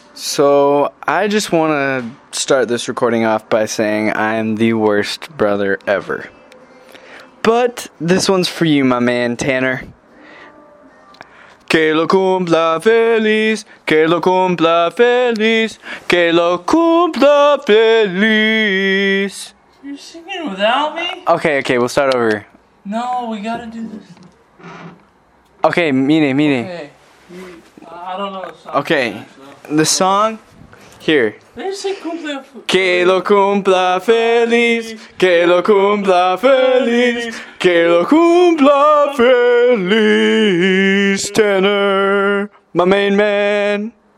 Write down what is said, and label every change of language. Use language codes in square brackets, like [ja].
[en] So, I just want to start this recording off by saying I am the worst brother ever. But this one's for you, my man, Tanner. [es] Que lo cumpla feliz, que lo cumpla feliz, que lo cumpla feliz. [en] You're singing without me? Okay, we'll start over. No, we gotta do this. Okay, mine. Okay. I don't know the song. Okay. The song, here. [es] Que lo cumpla feliz, que lo cumpla feliz, que lo cumpla feliz, Tanner, [en] my main man.